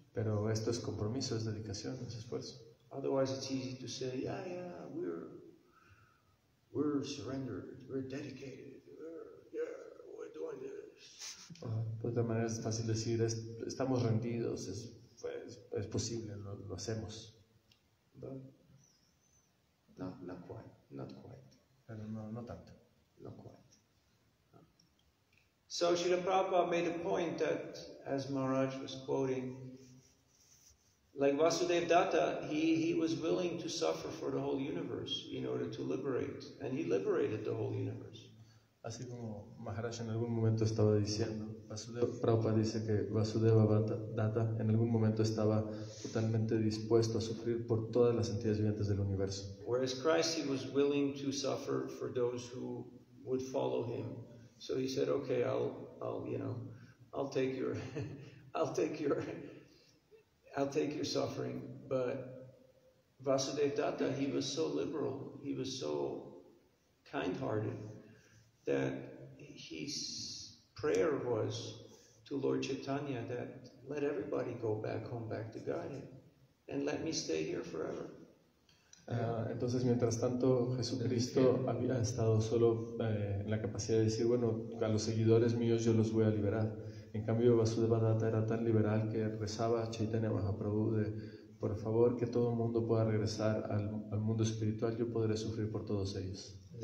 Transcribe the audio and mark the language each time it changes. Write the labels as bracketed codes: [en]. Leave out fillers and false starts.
[es] Pero esto es compromiso, es dedicación, es esfuerzo. [en] Otherwise it's easy to say, yeah, yeah, we're surrendered, we're dedicated, we're doing this. [es] Pues de manera es fácil decir, estamos rendidos, es posible, lo hacemos. [en] But not quite. [es] Pero no tanto. [en] Not quite. So Srila Prabhupada made a point that, as Maharaj was quoting, like Vasudev Datta, he was willing to suffer for the whole universe in order to liberate, and he liberated the whole universe. [es] Así como Maharaj en algún momento estaba diciendo, Prabhupada dice que Vasudev Datta en algún momento estaba totalmente dispuesto a sufrir por todas las entidades vivientes del universo. [en] Whereas Christ, he was willing to suffer for those who would follow him. So he said, okay, I'll take your suffering. But Vasudev Datta, he was so liberal, he was so kind-hearted that his prayer was to Lord Chaitanya that let everybody go back home, back to Godhead, and let me stay here forever. [es] Entonces, mientras tanto, Jesucristo había estado solo en la capacidad de decir, bueno, a los seguidores míos yo los voy a liberar. En cambio, Vasudeva Datta era tan liberal que rezaba a Chaitanya Mahaprabhu de, por favor, que todo el mundo pueda regresar al mundo espiritual, yo podré sufrir por todos ellos.